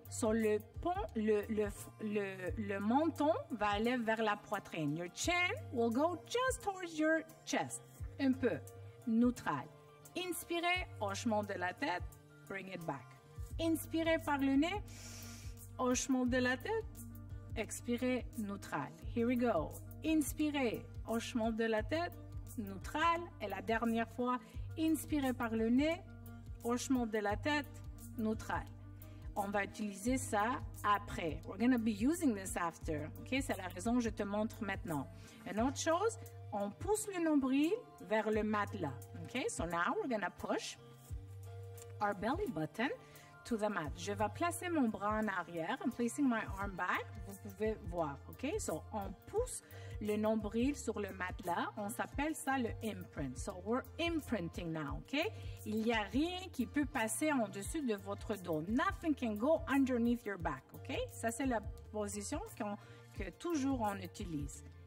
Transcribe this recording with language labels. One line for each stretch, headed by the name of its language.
French: So, le menton va aller vers la poitrine.
English: Your chin will go just towards your chest.
French: Un peu. Neutral. Inspirez, hochement de la tête.
English: Bring it back.
French: Inspirez par le nez. Hochement de la tête. Expirez, neutral.
English: Here we go.
French: Inspirez, hochement de la tête. Neutral. Et la dernière fois, inspirez par le nez. Hochement de la tête. Neutral. On va utiliser ça après.
English: We're going to be using this after.
French: OK, c'est la raison que je te montre maintenant. Une autre chose, on pousse le nombril vers le matelas.
English: OK, so now we're going to push our belly button to the mat.
French: Je vais placer mon bras en arrière.
English: I'm placing my arm back.
French: Vous pouvez voir. OK, so on pousse le nombril sur le matelas. On s'appelle ça le imprint.
English: So we're imprinting now.
French: OK, il n'y a rien qui peut passer en dessus de votre dos.
English: Nothing can go underneath your back.
French: OK, ça c'est la position que toujours on utilise.